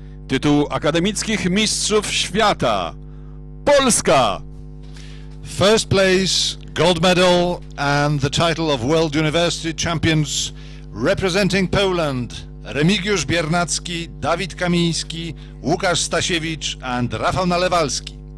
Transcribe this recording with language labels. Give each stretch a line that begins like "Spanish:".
Polish: Tytuł Akademickich Mistrzów Świata. Polska!
English: First place, gold medal and the title of World University Champions representing Poland. Remigiusz Biernacki, Dawid Kamiński, Łukasz Stasiewicz and Rafał Nalewalski.